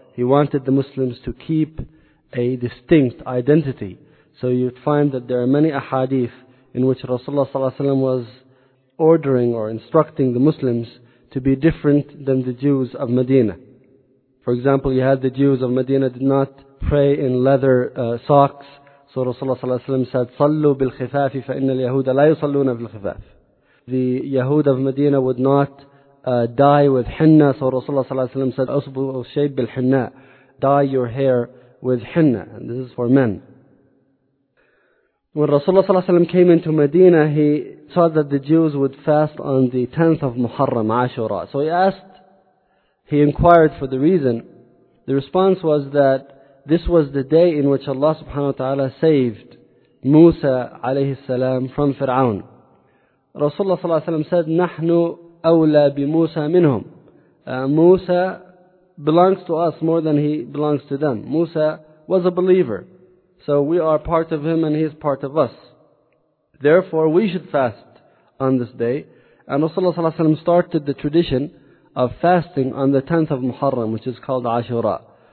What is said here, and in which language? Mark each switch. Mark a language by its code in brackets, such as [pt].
[en] He wanted the Muslims to keep a distinct identity. So you'd find that there are many ahadith in which Rasulullah ﷺ was ordering or instructing the Muslims to be different than the Jews of Medina. For example, you had the Jews of Medina did not pray in leather socks. So Rasulullah ﷺ said, [ar] صَلُّوا بِالْخِفَافِ فَإِنَّ الْيَهُودَ لَا يُصَلُّونَ بِالْخِفَافِ. [en] The Yahud of Medina would not dye with henna. So Rasulullah ﷺ said, [ar] أُصْبُوا الشَّيْبِ بِالْحِنَّاءِ. [en] Dye your hair with henna. And this is for men. When Rasulullah ﷺ came into Medina, he saw that the Jews would fast on the 10th of Muharram, Ashura. So he inquired for the reason. The response was that this was the day in which Allah subhanahu wa ta'ala saved Musa alayhi salam from Fir'aun. Rasulullah ﷺ said, [ar] نَحْنُ أَوْلَى بِمُوسَى مِنْهُمْ. [en] Musa belongs to us more than he belongs to them. Musa was a believer. So we are part of him and he is part of us. Therefore, we should fast on this day. And Rasulullah ﷺ started the tradition of fasting on the 10th of Muharram, which is called Ashura.